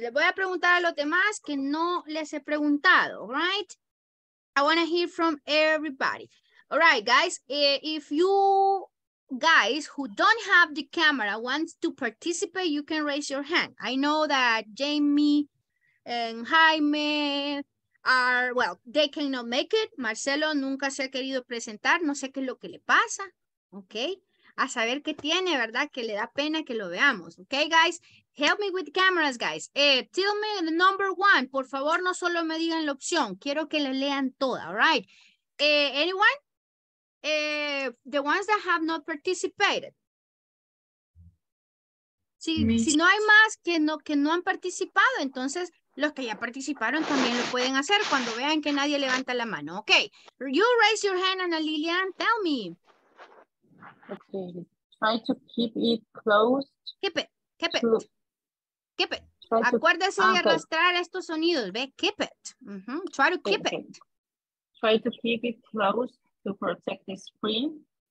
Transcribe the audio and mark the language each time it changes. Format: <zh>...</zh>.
<es>Les voy a preguntar a los demás que no les he preguntado, right?</es> <en>I want to hear from everybody. All right, guys. If you guys who don't have the camera want to participate, you can raise your hand. I know that Jamie and Jaime are, well, they cannot make it.</en> <es>Marcelo nunca se ha querido presentar. No sé qué es lo que le pasa. Okay. A saber qué tiene, ¿verdad? Que le da pena que lo veamos. Okay, guys.</es> <en>Help me with cameras, guys. Tell me the number one.</en> <es>Por favor, no solo me digan la opción. Quiero que la lean toda. All right.</es> <en>Anyone? The ones that have not participated.</en> <es>Si no hay más que no han participado, entonces... Los que ya participaron también lo pueden hacer cuando vean que nadie levanta la mano.</es> <en>Okay, you raise your hand, Ana Lilian, tell me. Okay, try to keep it closed. Keep it.</en> <es>Acuérdese de arrastrar estos sonidos, ve, keep it.</es> <en>Try to keep it. Try to keep it closed to protect the screen.</en>